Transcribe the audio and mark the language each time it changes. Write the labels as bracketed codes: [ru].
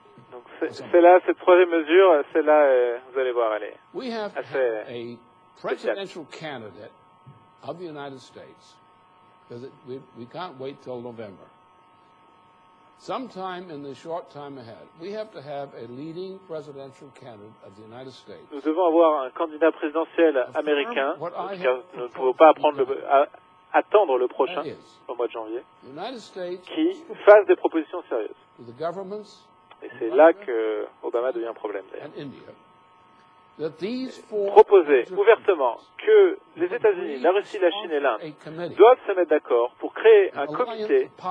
[fr] Donc, c'est là, cette troisième mesure, c'est là, vous allez voir, elle est assez... [en] Presidential candidate of the United States, because we can't wait till November. Sometime in the short time ahead, we have to have a leading presidential candidate of the United States. [fr] Nous devons avoir un candidat présidentiel américain, parce que nous ne pouvons pas attendre le prochain au mois de janvier, qui fasse des propositions sérieuses. Et c'est là que Obama devient un problème, d'ailleurs. Proposer ouvertement que les États-Unis, la Russie, la Chine et l'Inde doivent se mettre d'accord pour créer un comité